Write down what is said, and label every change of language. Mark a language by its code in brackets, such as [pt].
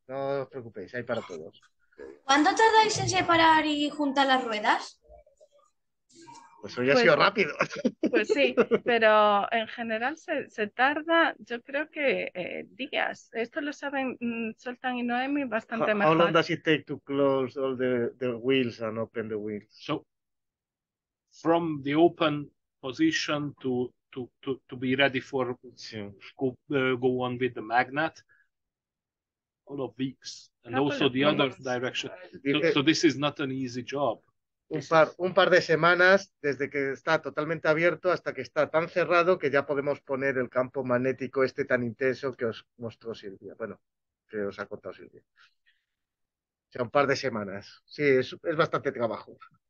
[es] No os preocupéis, hay para todos. ¿Cuánto tardáis en separar y juntar las ruedas? Pues hoy ha sido rápido. Pues sí, pero en general se tarda, yo creo que días. Esto lo saben Soltan y Noemi bastante mejor. [en] How long does it take to close all the wheels and open the wheels? So, from the open position to be ready for go on with the magnet, all of weeks. And also the other direction. So this is not an easy job. [es] Un par de semanas desde que está totalmente abierto hasta que está tan cerrado que ya podemos poner el campo magnético este tan intenso que os mostró Silvia. Bueno, que os ha contado Silvia. O sea, un par de semanas. Sí, es bastante trabajo.